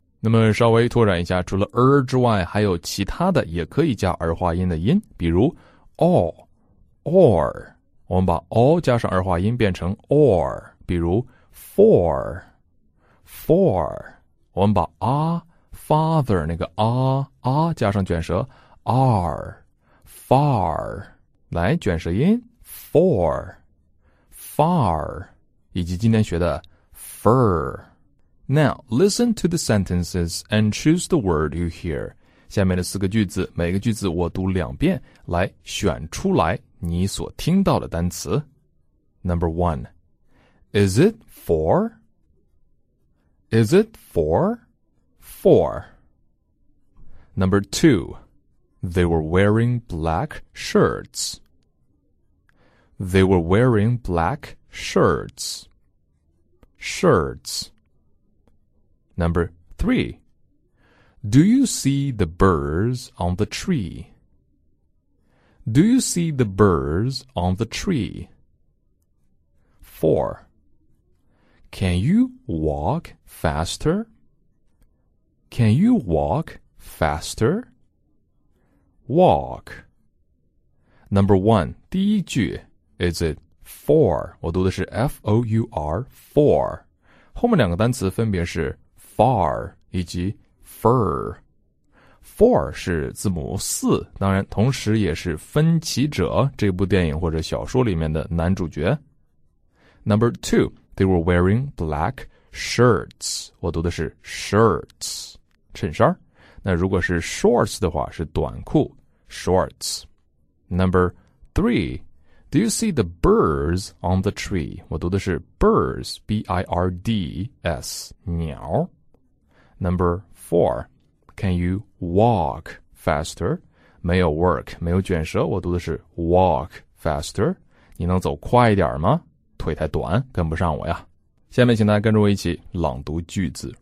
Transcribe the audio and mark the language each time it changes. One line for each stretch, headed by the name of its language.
Chinese: 那么稍微拓展一下，除了 er 之外，还有其他的也可以加儿化音的音，比如 all， or， 我们把 all 加上儿化音变成 or， 比如 for， for， 我们把 father 那个 加上卷舌 r， far， 来卷舌音 for， far， 以及今天学的 fur。
English: Now, listen to the sentences and choose the word you hear.
Chinese: 下面的四个句子，每个句子我读两遍，来选出来你所听到的单词。
English: Number one, is it four? Is it four? Four. Number two, they were wearing black shirts. They were wearing black shirts. Shirts. Number three, do you see the birds on the tree? Do you see the birds on the tree? Four, can you walk faster? Can you walk faster? Walk. Number one,
Chinese: 第一句
English: is it four?
Chinese: 我读的是 F-O-U-R, four. 后面两个单词分别是far 以及 fur， four 是字母四，当然同时也是分歧者这部电影或者小说里面的男主角。
English: Number two, they were wearing black shirts，
Chinese: 我读的是
English: shirts，
Chinese: 衬衫。那如果是 shorts 的话是短裤 shorts。
English: Number three, do you see the birds on the tree？
Chinese: 我读的是 birds， B-I-R-D-S， 鸟。
English: Number four, can you walk faster?
Chinese: 没有 work, 没有卷舌，我读的是
English: walk faster.
Chinese: 你能走快一点吗？腿太短，跟不上我呀。下面请大家跟着我一起朗读句子。